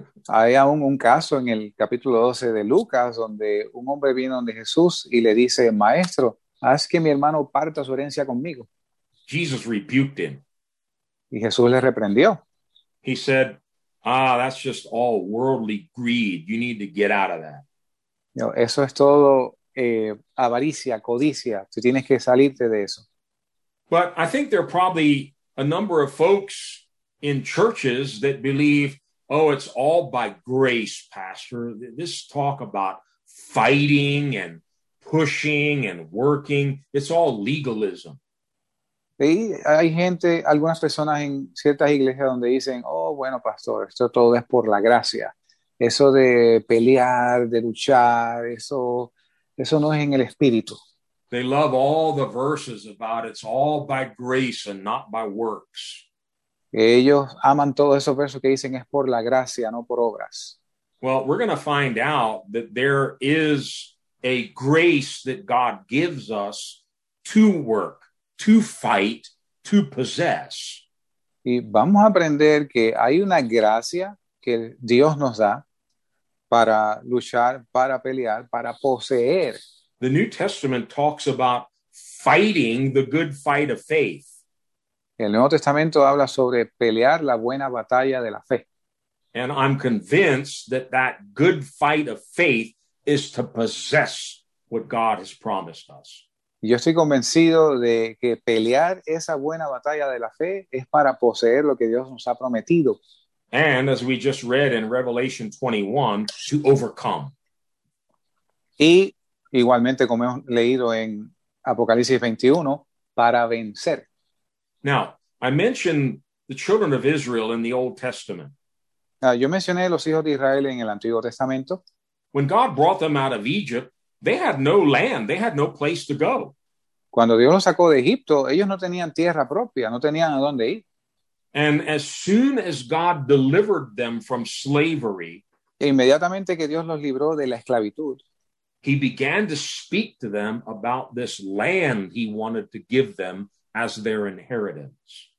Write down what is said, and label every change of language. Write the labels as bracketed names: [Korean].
[Spanish] Hay aún un caso en el capítulo 12 de Lucas donde un hombre viene donde Jesús y le dice, Maestro, haz que mi hermano parta su herencia conmigo. [English] Jesus rebuked him. [Spanish] Y Jesús le reprendió. [English] He said, Ah, that's just all worldly greed. You need to get out of that. [Spanish] No, eso es todo avaricia, codicia. Tú tienes que salirte de eso. [English] But I think there are probably a number of folks in churches that believe, oh, it's all by grace, Pastor. This talk about fighting and pushing and working, it's all legalism. [Spanish] Y hay gente, algunas personas en ciertas iglesias donde dicen, oh, bueno, pastor, esto todo es por la gracia. Eso de pelear, de luchar, eso no es en el espíritu. [English] They love all the verses about it's all by grace and not by works. [Spanish] Ellos aman todos esos versos que dicen es por la gracia, no por obras. [English] Well, we're going to find out that there is a grace that God gives us to work, to fight, to possess. [Spanish] Y vamos a aprender que hay una gracia que Dios nos da para luchar, para pelear, para poseer. [English] The New Testament talks about fighting the good fight of faith. [Spanish] El Nuevo Testamento habla sobre pelear la buena batalla de la fe. [English] And I'm convinced that that good fight of faith is to possess what God has promised us. [Spanish] Yo estoy convencido de que pelear esa buena batalla de la fe es para poseer lo que Dios nos ha prometido. [English] And as we just read in Revelation 21, to overcome. [Spanish] Y igualmente como hemos leído en Apocalipsis 21, para vencer. [English] Now, I mentioned the children of Israel in the Old Testament. [Spanish] Yo mencioné los hijos de Israel en el Antiguo Testamento. [English] When God brought them out of Egypt, they had no land, they had no place to go. [Spanish] Cuando Dios los sacó de Egipto, ellos no tenían tierra propia, no tenían a dónde ir. [English] And as soon as God delivered them from slavery, [Spanish] e inmediatamente que Dios los libró de la esclavitud, [English] he began to speak to them about this land he wanted to give them as their inheritance.